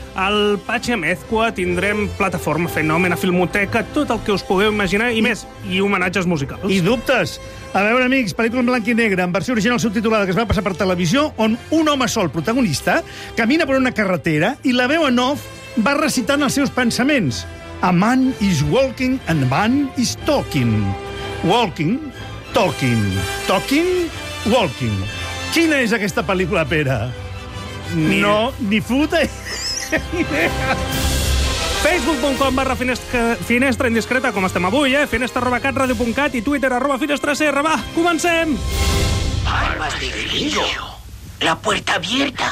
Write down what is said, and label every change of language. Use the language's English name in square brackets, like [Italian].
[Catalan] El Patxi Amezcua, tindrem Plataforma, Fenomen, a Filmoteca, tot el que us pugueu imaginar, i més, i homenatges musicals. I dubtes. A veure, amics, pel·lícula en blanc i negre, en versió original subtitulada, que es va passar per televisió, on un home sol, protagonista, camina per una carretera i la veu en off va recitant els seus pensaments. [English] A man is walking and man is talking. Walking, talking, talking, walking. [Catalan] Quina és aquesta pel·lícula, Pere? Ni... No, ni puta... facebook.com/finestraindiscreta com estem avui, finestra@catradio.cat i twitter@finestracr. Va, comencem! [Spanish] Armas de grillo. La puerta abierta.